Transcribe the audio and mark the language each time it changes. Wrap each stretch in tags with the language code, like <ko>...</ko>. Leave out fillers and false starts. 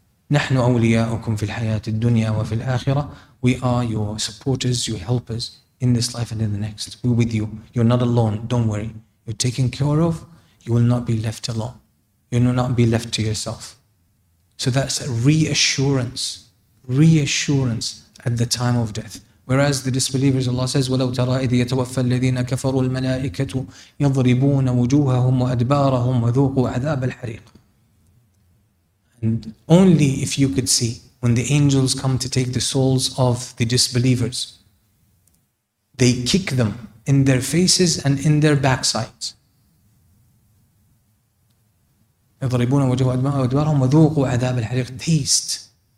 <ar>نَحْنُ أَوْلِيَاءُكُمْ فِي الْحَيَاةِ الدُّنْيَا وَفِي الْآخِرَةِ,</ar> <en>we are your supporters, your helpers in this life and in the next. We're with you. You're not alone. Don't worry. You're taken care of. You will not be left alone. You will not be left to yourself. So that's a reassurance. Reassurance at the time of death. Whereas the disbelievers, Allah says,</en> <ar>وَلَوْ تَرَى إِذْ يَتَوَفَّى الَّذِينَ كَفَرُوا الْمَلَائِكَةُ يَضْرِبُونَ وُجُوهَهُمْ وَأَدْبَارَهُمْ وَذُوقُوا عَذَابَ الْحَرِيقِ.</ar> <en>And only if you could see, when the angels come to take the souls of the disbelievers, they kick them in their faces and in their backsides.</en> <ar>يَضْرِبُونَ وُجُوهَهُمْ وَأَدْبَارَهُمْ وَذُوقُوا عَذَابَ الْحَرِيقِ.</ar>